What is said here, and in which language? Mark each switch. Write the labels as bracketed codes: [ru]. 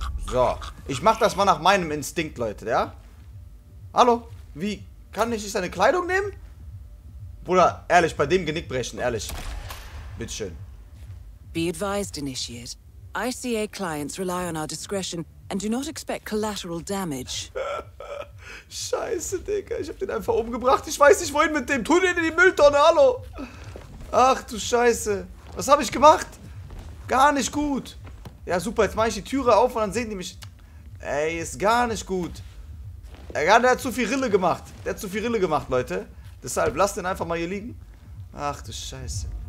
[de] So. Ich mache das mal nach meinem Instinkt, Leute, ja? Hallo, wie kann ich nicht deine Kleidung nehmen? Bruder, ehrlich, bei dem Genick brechen, ehrlich. Bitteschön. [en] Be advised, Initiate. ICA clients rely on our discretion and do not expect collateral damage. [de] Scheiße, Digga. Ich hab den einfach umgebracht. Ich weiß nicht, wohin mit dem. Tu den in die Mülltonne, hallo. Ach, du Scheiße. Was hab ich gemacht? Gar nicht gut. Ja, super. Jetzt mache ich die Türe auf und dann sehen die mich. Ey, ist gar nicht gut. Ja, der hat zu viel Rille gemacht. Der hat zu viel Rille gemacht, Leute. Deshalb, lass den einfach mal hier liegen. Ach, du Scheiße.